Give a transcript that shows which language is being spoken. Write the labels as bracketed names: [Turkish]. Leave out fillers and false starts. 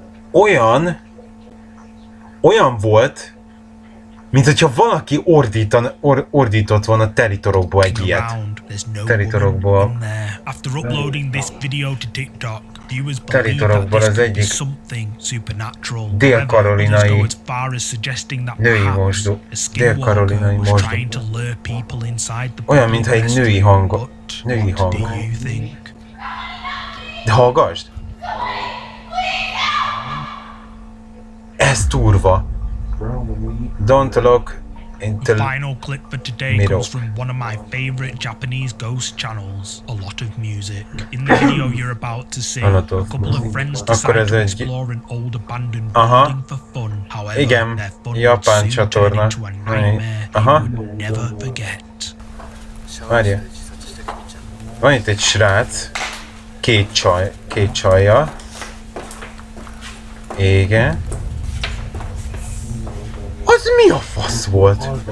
[Hungarian] Olyan, olyan volt, mint hogyha valaki ordított volna teritorokból egy ilyet. Teritorokból. [English] After uploading this video to TikTok, viewers believe that this could be something supernatural. [Hungarian] Dél-Karolinai [English] go as far as suggesting that perhaps a skinwalker was trying to lure people inside the body. [Hungarian] Olyan, mintha egy női hang. Női hang. [English] What do you think? [Hungarian] De hallgasd! Ez durva. [English] Don't look. The final clip for today comes from one of my favorite Japanese ghost channels, A Lot of Music. In the video you're about to see, a couple of friends decide to explore an old abandoned building for fun. However, [Hungarian] igen, [English] their fun Japan would soon turn into a nightmare they would never forget. [Hungarian] Várja. Van itt egy srác, két csajja. Igen. Az mi a fasz volt?